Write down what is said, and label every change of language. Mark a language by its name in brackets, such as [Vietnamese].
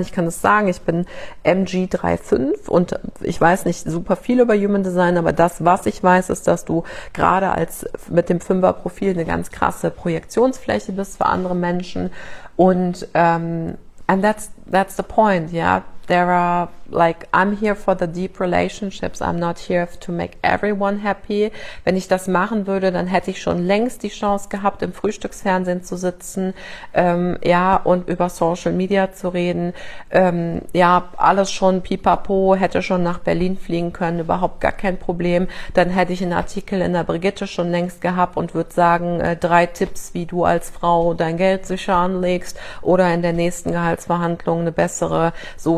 [German] Ich kann es sagen, ich bin MG35 und ich weiß nicht super viel über Human Design, aber das, was ich weiß, ist, dass du gerade als mit dem 5er Profil eine ganz krasse Projektionsfläche bist für andere Menschen und [English] and that's the point, yeah. There are like I'm here for the deep relationships. I'm not here to make everyone happy. [German] Wenn ich das machen würde, dann hätte ich schon längst die Chance gehabt, im Frühstücksfernsehen zu sitzen, ja, und über Social Media zu reden. Ja, alles schon pipapo, hätte schon nach Berlin fliegen können, überhaupt gar kein Problem. Dann hätte ich einen Artikel in der Brigitte schon längst gehabt und würde sagen, 3 Tipps, wie du als Frau dein Geld sicher anlegst oder in der nächsten Gehaltsverhandlung eine bessere, so.